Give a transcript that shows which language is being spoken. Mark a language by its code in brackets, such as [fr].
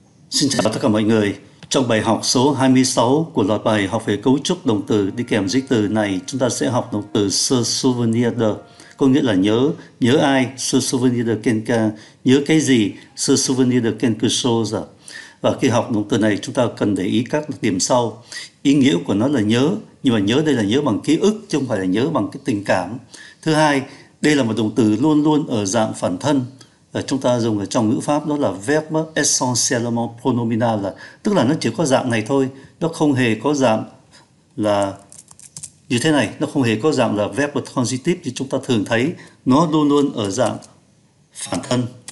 [vi] Xin chào tất cả mọi người. Trong bài học số 26 của loạt bài học về cấu trúc động từ đi kèm dịch từ này, chúng ta sẽ học động từ se souvenir de, có nghĩa là nhớ. Nhớ ai? [fr] Se souvenir de quelqu'un. Nhớ cái gì? Se souvenir de quelque chose. [vi] Và khi học động từ này, chúng ta cần để ý các đặc điểm sau. Ý nghĩa của nó là nhớ, nhưng mà nhớ đây là nhớ bằng ký ức, chứ không phải là nhớ bằng cái tình cảm. Thứ hai, đây là một động từ luôn luôn ở dạng phản thân. Chúng ta dùng ở trong ngữ pháp đó là verbe essentiellement pronominal, tức là nó chỉ có dạng này thôi, nó không hề có dạng là như thế này, nó không hề có dạng là verbe transitif như chúng ta thường thấy, nó luôn luôn ở dạng phản thân.